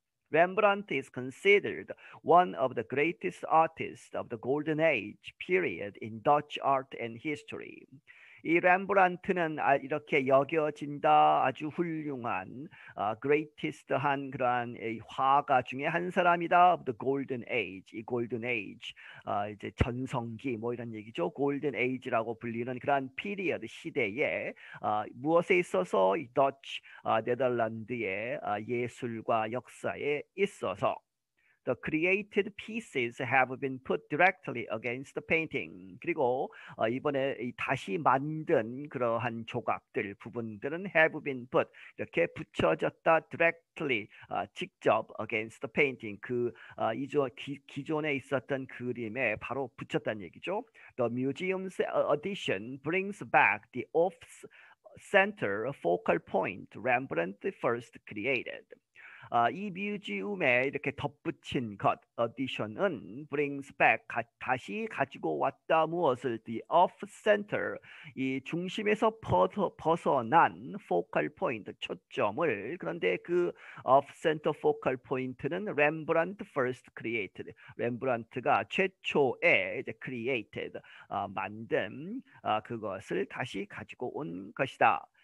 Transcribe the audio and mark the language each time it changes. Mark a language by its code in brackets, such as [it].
[en] Rembrandt is considered one of the greatest artists of the Golden Age period in Dutch art and history. [ko] 이 렘브란트는 이렇게 여겨진다. 아주 훌륭한, greatest 한 그러한 화가 중에 한 사람이다. [en] The Golden Age, [ko] 이 Golden Age, 이제 전성기 뭐 이런 얘기죠. Golden Age라고 불리는 그러한 period 시대에 무엇에 있어서 이 Dutch, 네덜란드의 예술과 역사에 있어서 [en] The created pieces have been put directly against the painting. [ko] 그리고 이번에 다시 만든 그러한 조각들, 부분들은 [en] have been put [ko] 이렇게 붙여졌다. [en] Directly 직접 against the painting. [ko] 그 기존에 있었던 그림에 바로 붙였다는 얘기죠. [en] The museum's addition brings back the off-center focal point Rembrandt first created. [ko] 이 뮤지엄에 이렇게 덧붙인 것, addition은 [en] brings back, [ko] 다시 가지고 왔다 무엇을, [en] the off-center, [ko] 이 중심에서 벗어난 focal point, 초점을, 그런데 그 off-center focal point는 [en] Rembrandt first created, [ko] 렘브란트가 최초에 이제 created, 만든 그것을 다시 가지고 온 것이다.